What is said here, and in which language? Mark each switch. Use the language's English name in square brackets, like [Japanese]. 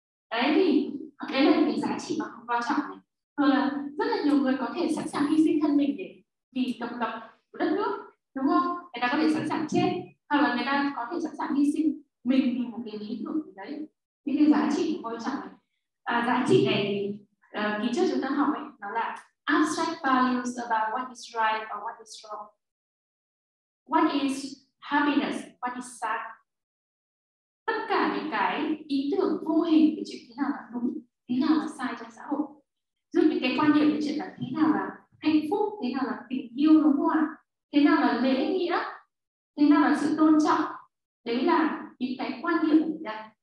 [Vietnamese] Đấy thì đấy là cái giá trị mà không quan trọng này. Thôi là rất là nhiều người có thể sẵn sàng hy sinh thân mình để vì độc lập của đất nước, đúng không? Người ta có thể sẵn sàng chết, hoặc là người ta có thể sẵn sàng hy sinh mình vì một cái lý tưởng gì đấy. Những cái giá trị quan trọng này. À, giá trị này thì kỳ trước chúng ta học ấy, nó là [English] abstract values about what is right or what is wrong. What is happiness, what is sad. [Vietnamese] Tất cả những cái ý tưởng vô hình về chuyện thế nào là đúng, thế nào là sai trong xã hội. Giúp những cái quan điểm về chuyện là thế nào là hạnh phúc, thế nào là tình yêu, đúng không ạ? Thế nào là lễ nghĩa, thế nào là sự tôn trọng. Đấy là những cái quan điểm của mình đây.